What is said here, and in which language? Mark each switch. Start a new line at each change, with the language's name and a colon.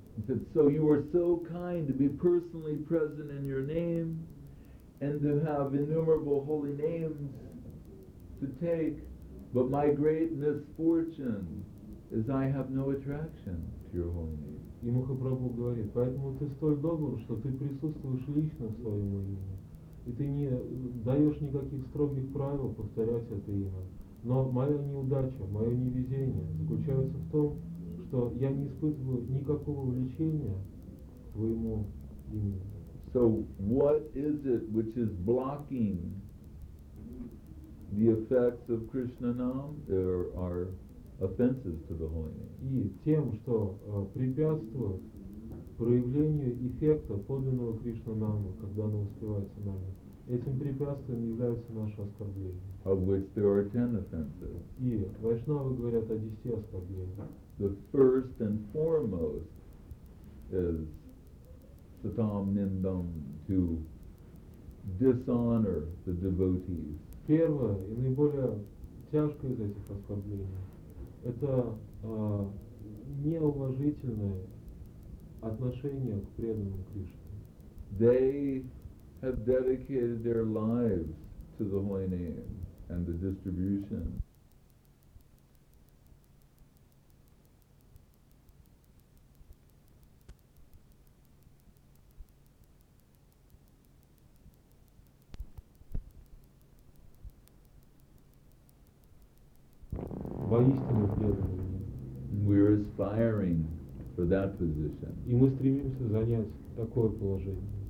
English: He said, so you are so kind to be personally present in your name and to have innumerable holy names to take, but my great misfortune is I have no attraction to your holy name.
Russian: И Махапрабху говорит, поэтому ты столь добр, что ты присутствуешь лично в своем имени, и ты не даешь никаких строгих правил повторять это имя. Но моя неудача, мое невезение заключается в том, что я не испытываю никакого влечения к твоему имени.
English: So what is it which is blocking the effects of Krishna Nam or our offenses to the holy name?
Russian: И тем, что препятствует проявлению эффекта подлинного Кришна Нама, когда оно воспевается нами, этим препятствием являются наши оскорбления.
English: Of which there are 10 offenses.
Russian: И вайшнавы говорят о 10 оскорблениях.
English: The first and foremost is satam nindam, to dishonor the devotees.
Russian: Первое и наиболее тяжкое из этих оскорблений – это неуважительное отношение к преданному Кришне.
English: They have dedicated their lives to the holy name and the distribution.
Russian: Воистину преданные.
English: We are aspiring for that position.
Russian: И мы стремимся занять такое положение.